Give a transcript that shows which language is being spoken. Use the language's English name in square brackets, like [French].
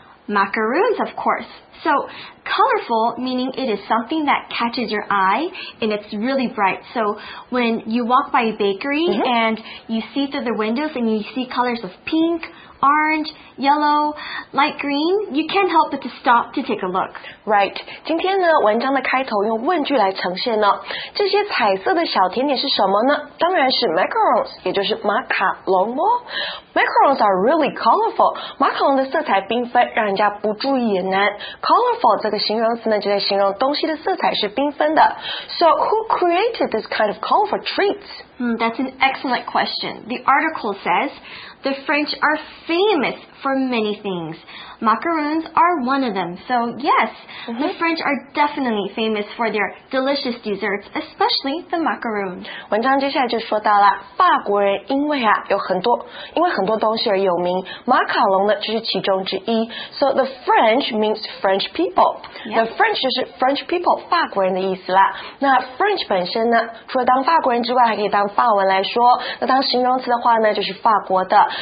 [English] Macaroons, of course. So, colorful meaning it is something that catches your eye and it's really bright. So, when you walk by a bakery and you see through the windows and you see colors of pink, orange, yellow, light green, you can't help but to stop to take a look. Right. [Chinese] 今天呢，文章的开头用问句来呈现呢、哦。这些彩色的小甜点是什么呢？当然是 macarons， 也就是马卡龙哦。 [English] Macarons are really colorful. [Chinese] 马卡龙的色彩缤纷，让人家不注意也难。 Colorful 这个形容词呢，就在形容东西的色彩是缤纷的。 [English] So who created this kind of colorful treats? That's an excellent question. The article says, the French are famous for many things. Macaroons are one of them. So yes, the French are definitely famous for their delicious desserts, especially the macaroon. [Chinese] 文章接下来就说到了，法国人因为啊有很多，因为很多东西而有名，马卡龙呢就是其中之一。 [English] So the French means French people. The French 就是 French people， [Chinese] 法国人的意思啦。那 French 本身呢，除了当法国人之外，还可以当法文来说，那当形容词的话呢，就是法国的。